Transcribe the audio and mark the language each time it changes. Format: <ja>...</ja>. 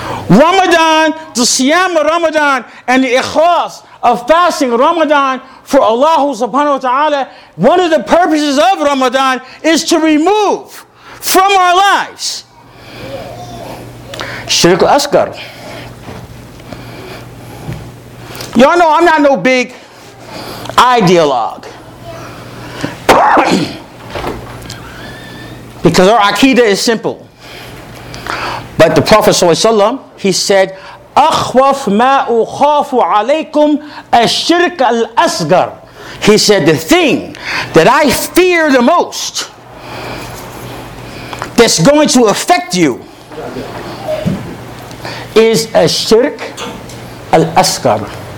<en>Ramadan, the siyam of Ramadan, and the ikhlas of fasting Ramadan for Allah subhanahu wa ta'ala, one of the purposes of Ramadan is to remove from our lives shirk al-asgar. Y'all know I'm not no big ideologue. Because our aqidah is simple. But the Prophet ﷺ, he said,</en> <ar>أخوف ما أخاف عليكم الشرك الأصغر.</ar> <en>He said, the thing that I fear the most that's going to affect you is الشرك الأصغر.</en>